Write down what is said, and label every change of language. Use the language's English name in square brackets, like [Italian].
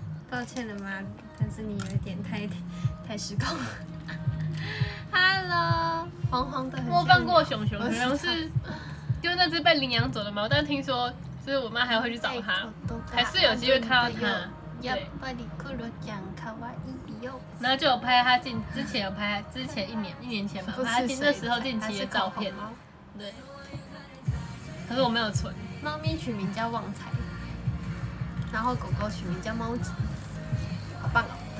[Chinese] 抱歉了吗，但是你有点太失控了。 Hello， 黄黄的很像鸟。我放过熊熊，可能是因为那只被领养走的猫，但听说就是我妈还会去找它，还是有机会看到它。 [Japanese] やっぱり黒ちゃんかわいいよ。 [Chinese] 然后就有拍它进之前有拍之前一年前吧，拍进那时候近期的照片。对。可是我没有存。猫咪取名叫旺财，然后狗狗取名叫猫吉，好棒哦！